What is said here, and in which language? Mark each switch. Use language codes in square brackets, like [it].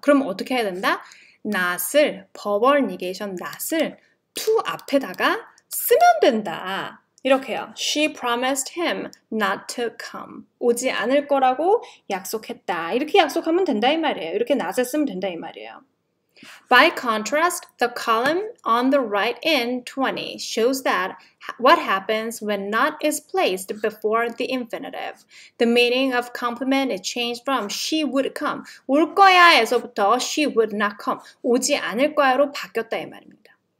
[ko] 그럼 어떻게 해야 된다? not을 verbal negation not을 to 앞에다가 쓰면 된다. 이렇게요. [en] She promised him not to come. [ko] 오지 않을 거라고 약속했다. 이렇게 약속하면 된다 이 말이에요. 이렇게 not을 쓰면 된다 이 말이에요. [en] By contrast, the column on the right in 20 shows that what happens when not is placed before the infinitive. The meaning of complement is changed from she would come. [ko] 올 거야에서부터 [en] she would not come. [ko] 오지 않을 거야로 바뀌었다 이 말입니다.